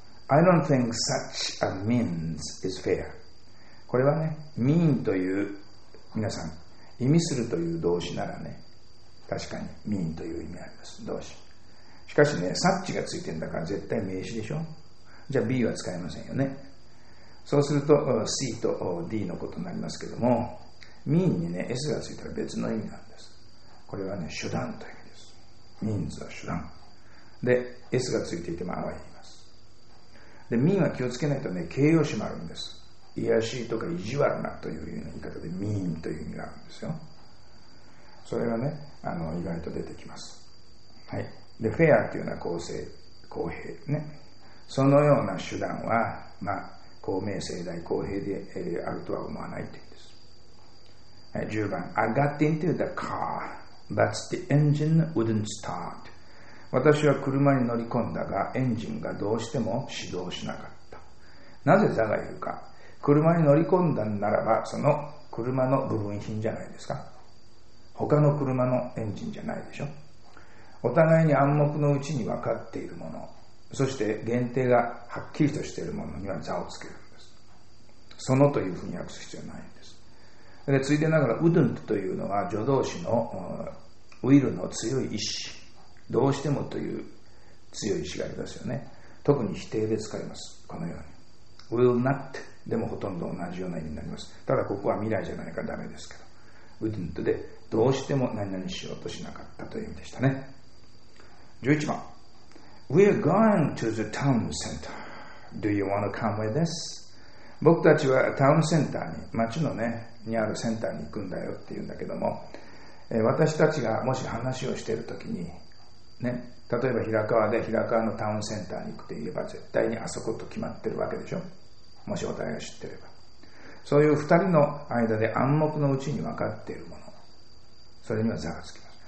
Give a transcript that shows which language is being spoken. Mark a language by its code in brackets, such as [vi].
[en] I don't think such a means is fair. [ja] これはね、mean という、皆さん、意味するという動詞ならね、確かに mean という意味あります、動詞。しかしね、サッチがついてるんだから絶対名詞でしょ。じゃあ B は使えませんよね。そうすると C と D のことになりますけども、mean にね、S がついたら別の意味なんです。これはね、手段という意味です。 means は手段。で、S がついていても I は言います。で、mean は気をつけないとね、形容詞もあるんです。いやしいとか意地悪なというような言い方で mean という意味があるんですよ。それがね、意外と出てきます。はい。で、フェアっていうのは公正、公平ね。そのような手段は、まあ、公明、正大、公平で、あるとは思わないって言うんです。はい、10番。 [en] I got into the car, but the engine wouldn't start. [ja] 私は車に乗り込んだが、エンジンがどうしても始動しなかった。なぜ座がいるか。車に乗り込んだならば、その車の部分品じゃないですか。他の車のエンジンじゃないでしょ。お互いに暗黙のうちに分かっているもの、そして限定がはっきりとしているものには座をつけるんです。そのというふうに訳す必要はないんです。で、ついでながら、wouldn't というのは助動詞の will の強い意志、どうしてもという強い意志がありますよね。特に否定で使います。このように。will not でもほとんど同じような意味になります。ただここは未来じゃないからダメですけど。 wouldn't でどうしても何々しようとしなかったという意味でしたね。 [en] 11番 We're going to the town center. Do you want to come with us? [ja] 僕たちはタウンセンターに、町のね、にあるセンターに行くんだよっていうんだけども、私たちがもし話をしているときに、ね、例えば平川で平川のタウンセンターに行くといえば絶対にあそこと決まってるわけでしょ。もしお互いを知ってれば。そういう二人の間で暗黙のうちに分かっているもの、それにはざわつきます。